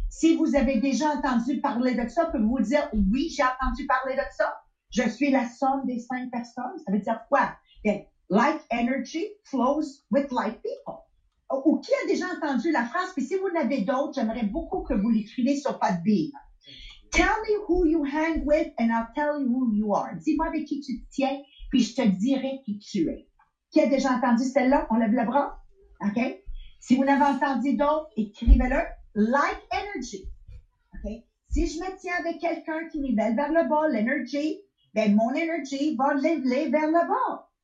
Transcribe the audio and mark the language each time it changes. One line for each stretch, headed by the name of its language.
French: Si vous avez déjà entendu parler de ça, pouvez-vous dire « oui, j'ai entendu parler de ça ». Je suis la somme des cinq personnes. Ça veut dire quoi? Bien,
English: like energy flows with like people.
French: Ou qui a déjà entendu la phrase? Puis si vous en avez d'autres, j'aimerais beaucoup que vous l'écriviez sur Podbean.
English: Tell me who you hang with and I'll tell you who you are.
French: Dis-moi avec qui tu te tiens, puis je te dirai qui tu es. Qui a déjà entendu celle-là? On lève le bras? OK? Si vous n'avez entendu d'autres, écrivez-le.
English: Like energy. OK?
French: Si je me tiens avec quelqu'un qui nivelle vers le bas, l'énergie, ben mon énergie va leveler vers le bas.